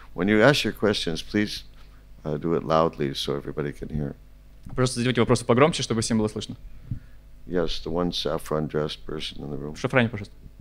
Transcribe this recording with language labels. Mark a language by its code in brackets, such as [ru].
[en] When you ask your questions, please do it loudly so everybody can hear. [ru] Просто задавайте вопросы погромче, чтобы всем было слышно. [en] Yes, the one saffron-dressed person in the room. [ru] Шафране, пожалуйста.